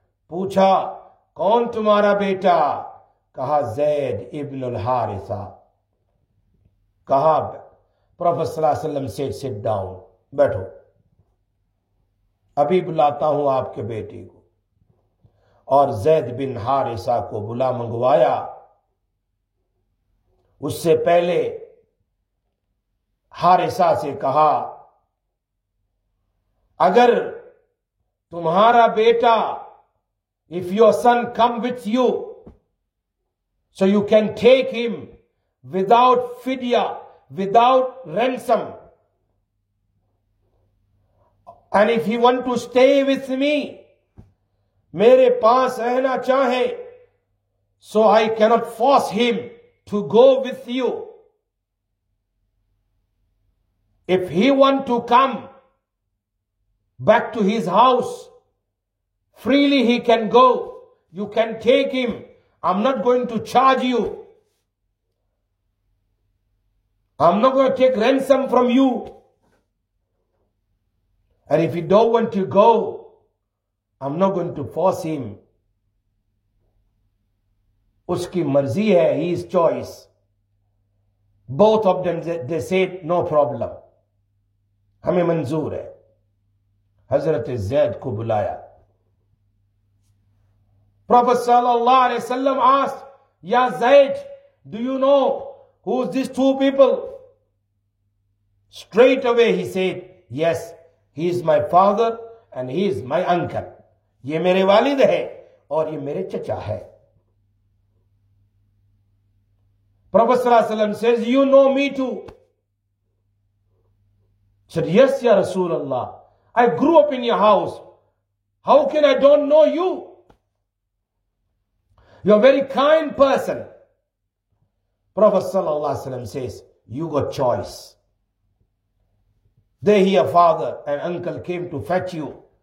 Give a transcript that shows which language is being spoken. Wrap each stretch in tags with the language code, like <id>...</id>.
<ur>پوچھا, کون تمہارا بیٹا؟ کہا, زید ابن الحارثہ. کہا پروفیسر صلی اللہ علیہ وسلم سے,</ur> <en>sit down,</en> <ur>بیٹھو, ابھی بلاتا ہوں آپ کے بیٹے کو. اور زید بن حارثہ کو بلا منگوایا. اس سے پہلے حارثہ سے کہا, اگر تمہارا بیٹا,</ur> <en>if your son come with you so you can take him without fidya, without ransom, and if he want to stay with me,</en> <ur>میرے پاس رہنا چاہے,</ur> <en>so I cannot force him to go with you. If he want to come back to his house, freely he can go. You can take him. I'm not going to charge you. I'm not going to take ransom from you. And if he don't want to go, I'm not going to force him.</en> <ur>اس کی مرضی ہے,</ur> <en>his choice. Both of them, they said, no problem.</en> <ur>ہمیں منظور ہے. حضرت زید کو بلایا.</ur> <en>Prophet صلی اللہ علیہ وسلم asked,</en> <ar>یا زید,</ar> <en>do you know who is these two people? Straight away he said, yes, he is my father and he is my uncle.</en> <ur>یہ میرے والد ہے اور یہ میرے چچا ہے.</ur> <en>Prophet صلی اللہ علیہ وسلم says, you know me too. Said, yes,</en> <ar>یا رسول اللہ,</ar> <en>I grew up in your house. How can I don't know you? You're a very kind person. Prophet sallallahu alaihi wasallam says, you got choice. They hear father and uncle came to fetch you.</en>